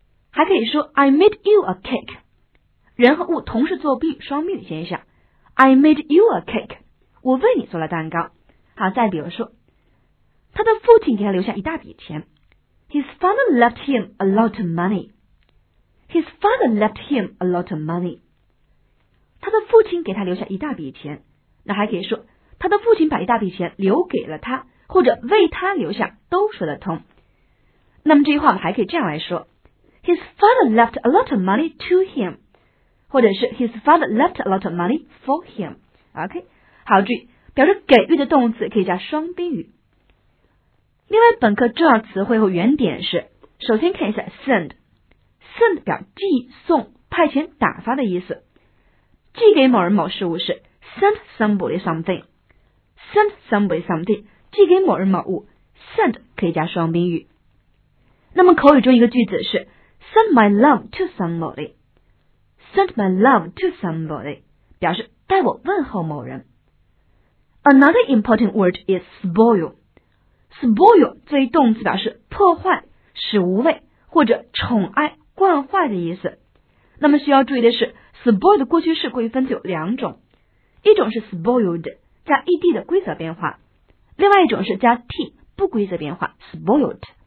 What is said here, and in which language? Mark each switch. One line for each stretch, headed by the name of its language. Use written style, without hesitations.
Chinese: 还可以说
English: I made you a cake.
Chinese: 人和物同时作弊，双宾语现象。
English: I made you a cake.
Chinese: 我为你做了蛋糕。好，再比如说，他的父亲给他留下一大笔钱。
English: His father left him a lot of money. His father left him a lot of money.
Chinese: 他的父亲给他留下一大笔钱。那还可以说，他的父亲把一大笔钱留给了他，或者为他留下，都说得通。那么这句话我们还可以这样来说
English: ：His father left a lot of money to him，
Chinese: 或者是
English: His father left a lot of money for him.
Chinese: OK， 好，注意，表示给予的动词可以加双宾语。另外，本课重要词汇和原点是：首先看一下 send。 send 表寄送、派遣、打发的意思。寄给某人某事物是
English: send somebody something， send somebody something，
Chinese: 寄给某人某物。 send 可以加双宾语。那么口语中一个句子是
English: send my love to somebody，
Chinese: send my love to somebody， 表示代我问候某人。
English: another important word is spoil。
Chinese: spoil 作为动词表示破坏、使无味或者宠爱、惯坏的意思。那么需要注意的是 spoil 的过去式可以分作有两种，一种是 spoiled 加 ed 的规则变化，另外一种是加 t 不规则变化 spoiled。